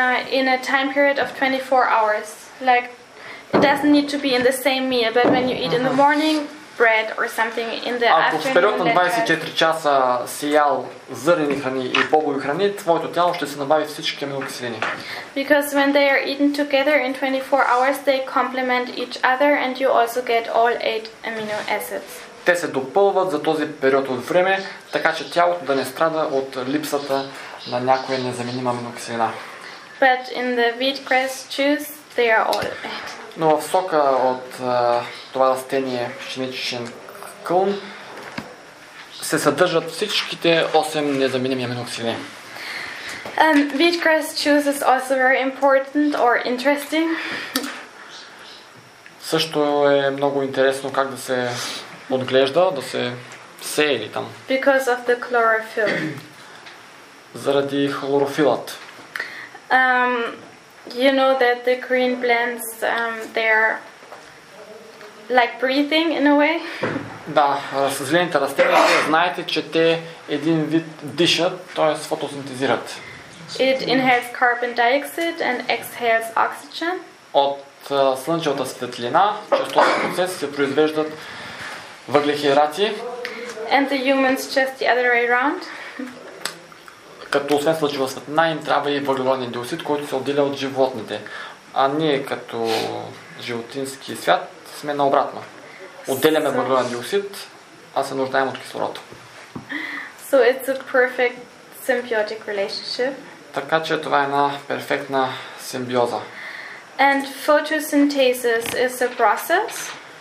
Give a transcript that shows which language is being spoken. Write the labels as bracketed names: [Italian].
[English] In a time period of 24 hours, like it doesn't need to be in the same meal, but when you eat in the morning bread or something in the afternoon. [Bulgarian] Ако в период на 24 часа си ял зърнени храни и бобови храни, твоето тяло ще се набави всички аминокиселини. [English] Because when they are eaten together in 24 hours, they complement each other and you also get all eight amino acids. [Bulgarian] Те се допълват за този период от време, така че тялото да не страда от липсата на някоя незаменима аминокиселина. [English] But in the wheatgrass juice they are all eight. [Bulgarian] Но в сока от това растение пшеничен кълн се съдържат всичките 8 незаменими аминокиселини. [English] Wheatgrass juice is also very important or interesting. [Bulgarian] също е много интересно как да се отглежда, да се сее или там. [English] Because of the chlorophyll. [Bulgarian] Заради хлорофилът. [English] You know that the green plants, they're like breathing in a way. [Bulgarian] Да, зелените растения, знаете, че те един вид дишат, т.е. фотосинтезират. [English] It inhales carbon dioxide and exhales oxygen. [Bulgarian] От слънчевата светлина, чрез този процес се произвеждат въглехидрати. [English] And the humans just the other way around. [Bulgarian] Като освен слънчева светлина, им трябва и въглероден диоксид, който се отделя от животните. А ние като животински свят сме наобратно. Отделяме въглероден диоксид, а се нуждаем от кислород. [English] So it's a perfect symbiotic relationship. [Bulgarian] Така че това е една перфектна симбиоза. [English] And photosynthesis is a process.